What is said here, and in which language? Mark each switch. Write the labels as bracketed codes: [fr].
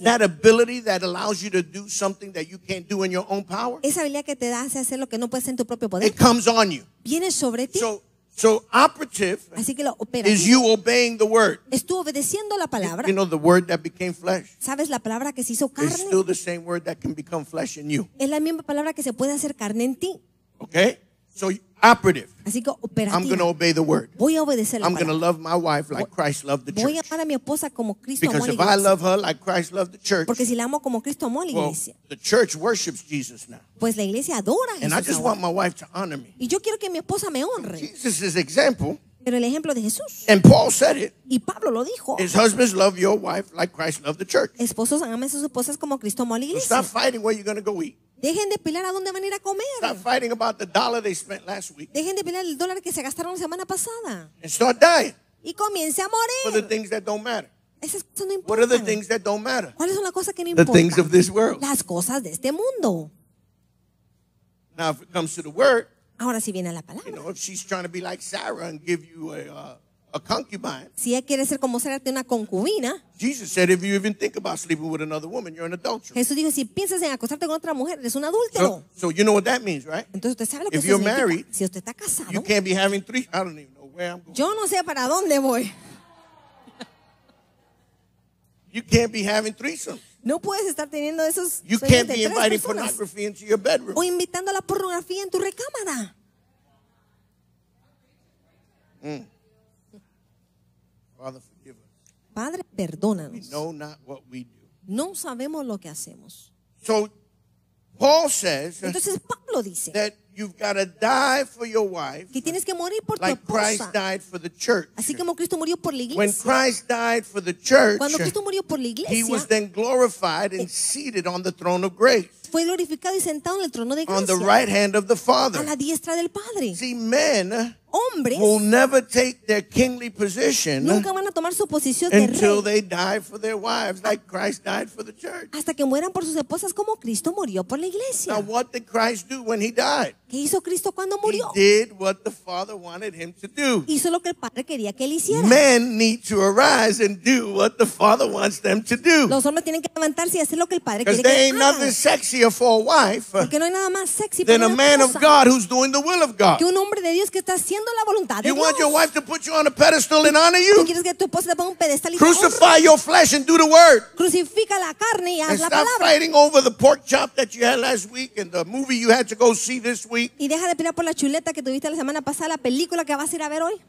[en] That ability that allows you to do something that you can't do in your own power. [es] Esa habilidad que te da hace hacer lo que no puedes en tu propio poder. [en] It comes on you. [es] Viene sobre ti. [en] So operative. [es] Así que lo operativo. [en] Is you obeying the word. [es] Es tú obedeciendo la palabra. [en] You know the word that became flesh. [es] Sabes la palabra que se hizo carne. [en] It's still the same word that can become flesh in you. [es] Es la misma palabra que se puede hacer carne en ti. [en] Okay. So operative. [es] Así que operativo. [en] I'm going to obey the word. [es] Voy a obedecer la palabra. [en] I'm going to love my wife like Christ loved the church. [es] Voy a amar a mi esposa como Cristo amó a la iglesia. [en] Because if I love her like Christ loved the church. [es] Porque si la amo como Cristo amó a la iglesia. [en] Well, the church worships Jesus now. [es] Pues la iglesia adora a Jesús. [en] And I just want my wife to honor me. [es] Y yo quiero que mi esposa me honre. [en] Jesus is example. [es] Pero el ejemplo de Jesús. [en] And Paul said it. [es] Y Pablo lo dijo. [en] His husbands love your wife like Christ loved the church. [es] Esposos amen a sus esposas como Cristo amó a la iglesia. [en] So stop fighting where you're going to go eat. [es] Dejen de pelear a dónde van a ir a comer. [en] Stop fighting about the dollar they spent last week. [es] Dejen de pelear el dólar que se gastaron la semana pasada. [en] And start dying. [es] Y comience a morir. [en] For the things that don't matter. [es] Esas cosas no importan. [en] What are the things that don't matter? [es] ¿Cuáles son las cosas que no [en] the [es] importan? [en] The things of this world. [es] Las cosas de este mundo. [en] Now if it comes to the word. [es] Ahora si viene la palabra. [en] You know, if she's trying to be like Sarah and give you a concubine. [es] Si ella quiere ser como Sarah, tiene una concubina. [en] Jesus said, if you even think about sleeping with another woman, you're an adulterer. [es] Jesús dijo, si piensas en acostarte con otra mujer, eres un adúltero. [en] So you know what that means, right? [es] Entonces usted sabe lo [en] if [es] que [en] you're [es] significa. [en] Married, [es] si usted está casado, [en] you can't be having three. I don't even know where I'm going. [es] Yo no sé para dónde voy. [en] You can't be having threesomes. [es] No puedes estar teniendo esos. [en] You can't be inviting pornography into your bedroom. [es] O invitando a la pornografía en tu recámara. [en] Father, forgive us. [es] Padre, perdónanos. [en] We know not what we do. [es] No sabemos lo que hacemos. [en] So Paul says. [es] Entonces Pablo dice [en] that you've got to die for your wife. [es] Que tienes que morir por [en] like Christ died for the church. [es] Así como Cristo murió por la iglesia. [en] When Christ died for the church, [es] cuando Cristo murió por la iglesia, [en] he was then glorified and seated on the throne of grace. [es] Fue glorificado y sentado en el trono de gracia. [en] On the right hand of the Father. [es] A la diestra del Padre. [en] See, men [es] hombres [en] will never take their kingly position [es] nunca van a tomar su posición de [en] until [es] rey [en] they die for their wives, like Christ died for the church. [es] Hasta que mueran por sus esposas como Cristo murió por la iglesia. [en] Now, what did Christ do when he died? [es] ¿Qué hizo Cristo cuando murió? [en] He did what the Father wanted him to do. [es] Hizo lo que el Padre quería que él hiciera. [en] Men need to arise and do what the Father wants them to do. [es] Los hombres tienen que levantarse y hacer lo que el Padre quiere que hagan. [en] Because there ain't nothing sexier for a wife [es] porque no hay nada más sexy [en] than a man of God who's doing the will of God. [es] Que un hombre de Dios que está haciendo la voluntad de [en] you [es] Dios. [en] Want your wife to put you on a pedestal and honor you? [es] ¿Quieres que tu esposa te ponga un pedestal y te honre? [en] Crucify your flesh and do the word. [es] Crucifica la carne y haz [en] and [es] la palabra. [en] Stop fighting over the pork chop that you had last week and the movie you had to go see this week. [es] Y deja de pelear por la chuleta que tuviste la semana pasada, la película que vas a ir a ver hoy.